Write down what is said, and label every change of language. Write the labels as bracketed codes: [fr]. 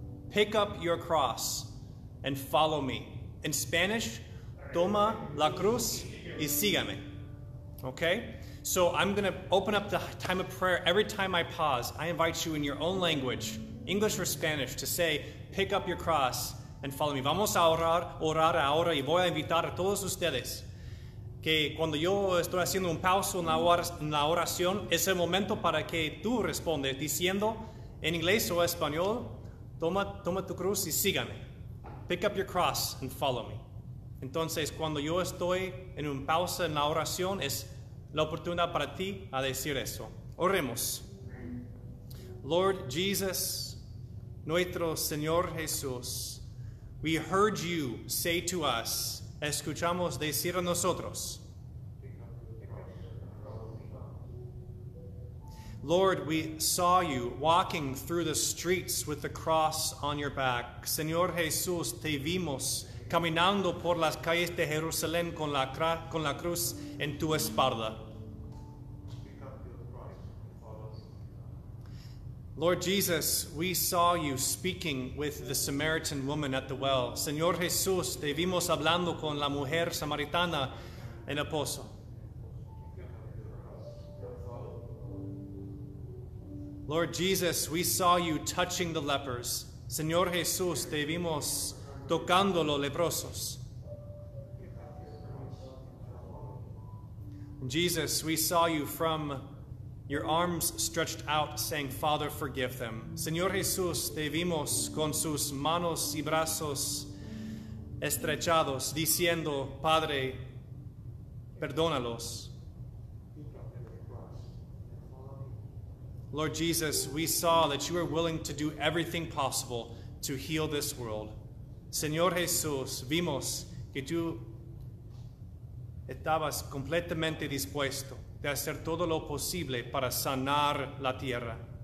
[en] Pick up your cross and follow me. In Spanish, toma la cruz y sígame. Okay? So I'm going to open up the time of prayer. Every time I pause, I invite you in your own language, English or Spanish, to say, pick up your cross and follow me. [es] Vamos a orar ahora, y voy a invitar a todos ustedes que cuando yo estoy haciendo un pauso en la oración, es el momento para que tú respondas diciendo en inglés o español, toma tu cruz y sígame. Pick up your cross and follow me. Entonces, cuando yo estoy en una pausa en la oración, es la oportunidad para ti a decir eso. Oremos. Lord Jesus, nuestro Señor Jesús, [en] We heard you say to us, escuchamos decir a nosotros. Lord, we saw you walking through the streets with the cross on your back. [es] Señor Jesús, te vimos caminando por las calles de Jerusalén con la cruz en tu espalda. [en] Lord Jesus, we saw you speaking with the Samaritan woman at the well. [es] Señor Jesús, te vimos hablando con la mujer samaritana en el pozo. [en] Lord Jesus, we saw you touching the lepers. Señor Jesús, te vimos tocando los leprosos. Jesus, we saw you from your arms stretched out, saying, Father, forgive them. [es] Señor Jesús, te vimos con sus manos y brazos estrechados, diciendo, Padre, perdónalos. [en] Lord Jesus, we saw that you are willing to do everything possible to heal this world. [es] Señor Jesús, vimos que tú estabas completamente dispuesto de hacer todo lo posible para sanar la tierra.